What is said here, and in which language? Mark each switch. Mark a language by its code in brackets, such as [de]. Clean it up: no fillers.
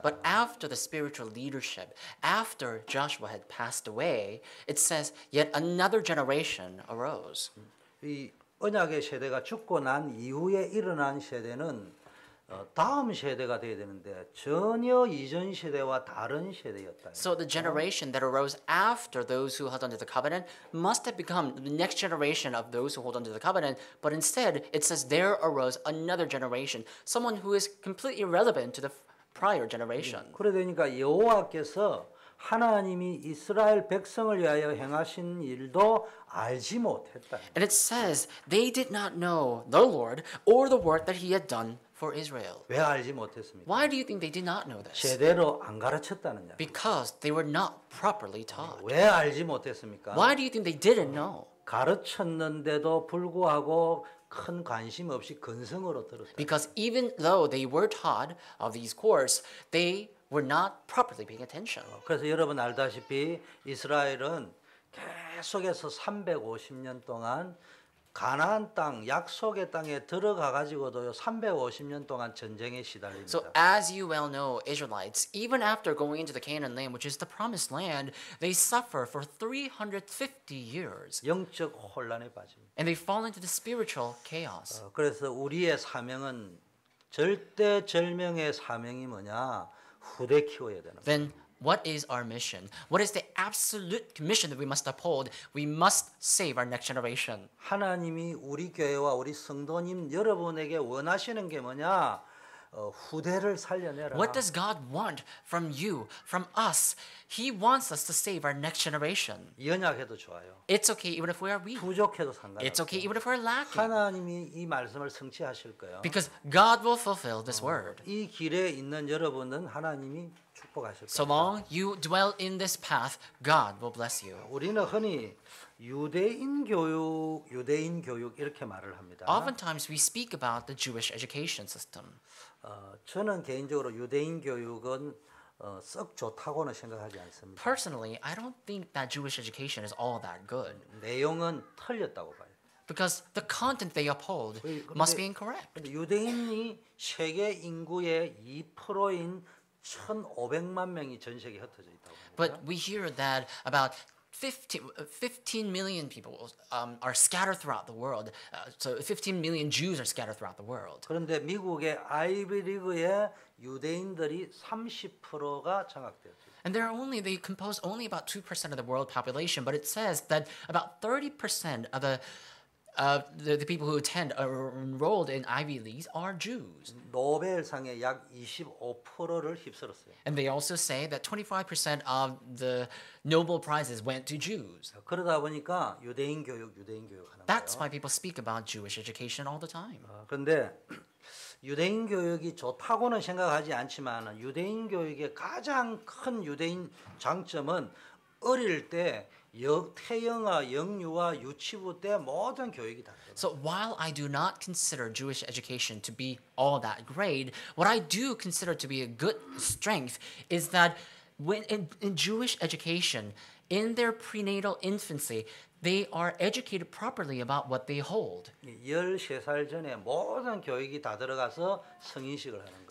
[en] But after the spiritual leadership, after Joshua had passed away, it says yet another generation arose. [ko] 이 언약의 세대가 죽고 난 이후에 일어난 세대는 다음 세대가 되어야 되는데 전혀 이전 세대와 다른 세대였다. [en] So the generation that arose after those who held under the covenant must have become the next generation of those who hold under the covenant, but instead it says there arose another generation, someone who is completely irrelevant to the prior generation. [ko] 그래 되니까 여호와께서 하나님이 이스라엘 백성을 위하여 행하신 일도 알지 못했다. [en] And it says they did not know the Lord or the work that he had done. For Israel. [ko] 왜 알지 못했습니까? [en] Why do you think they did not know this? [ko] 제대로 안 가르쳤다느냐? [en] Because they were not properly taught. [ko] 왜 알지 못했습니까? [en] Why do you think they didn't know? [ko] 가르쳤는데도 불구하고 큰 관심 없이 근성으로 들었다. [en] Because even though they were taught of these course, they were not properly paying attention. [ko] 그래서 여러분 알다시피 이스라엘은 계속해서 350년 동안 가나안 땅 약속의 땅에 들어가 가지고도요 350년 동안 전쟁에 시달립니다. [en] So as you well know, Israelites, even after going into the Canaan land, which is the promised land, they suffer for 350 years. [ko] 영적 혼란에 빠집니다. [en] And they fall into the spiritual chaos. [ko] 그래서 우리의 사명은 절대절명의 사명이 뭐냐? 후대 키워야 되는 [en] Then what is our mission? What is the absolute commission that we must uphold? We must save our next generation. [ko] 하나님이 우리 교회와 우리 성도님 여러분에게 원하시는 게 뭐냐? 후대를 살려내라. [en] What does God want from you, from us? He wants us to save our next generation. [ko] 연약해도 좋아요. [en] It's okay even if we are weak. [ko] 부족해도 상관. [en] It's okay even if we're lacking. [ko] 하나님이 이 말씀을 성취하실 거예요. [en] Because God will fulfill this word. [ko] 이 길에 있는 여러분은 하나님이 축복하실 거예요. [en] So long you dwell in this path, God will bless you. [ko] 우리는 흔히 유대인 교육, 유대인 교육 이렇게 말을 합니다. [en] Oftentimes we speak about the Jewish education system. [ko] 저는 개인적으로 유대인 교육은 썩 좋다고는 생각하지 않습니다. [en] Personally, I don't think that Jewish education is all that good. [ko] 내용은 틀렸다고 봐요. [en] Because the content they uphold must be incorrect. [ko] 근데 유대인이 세계 인구의 2%인 1,500만 명이 전 세계에 흩어져 있다고 합니다. [en] But we hear that about 15 million people are scattered throughout the world. So 15 million Jews are scattered throughout the world. [ko] 그런데 미국의 아이비리그의 유대인들이 30%가 장악되었습니다. [en] And they compose only about 2% of the world population, but it says that about 30% of the people who attend or enrolled in Ivy Leagues are Jews. [ko] 노벨상의 약 25%를 휩쓸었어요. [en] And they also say that 25% of the Nobel prizes went to Jews. [ko] 그러다 보니까 유대인 교육, 유대인 교육 하는 거예요. [en] That's why people speak about Jewish education all the time. [ko] 그런데 유대인 교육이 좋다고는 생각하지 않지만 유대인 교육의 가장 큰 유대인 장점은 어릴 때 태영아, 영유아, 유치부 때 모든 교육이 다. [en] So while I do not consider Jewish education to be all that great, what I do consider to be a good strength is that when in Jewish education, in their prenatal infancy, they are educated properly about what they hold. [ko] 13살 전에 모든 교육이 다 들어가서 성인식을 하는 거예요.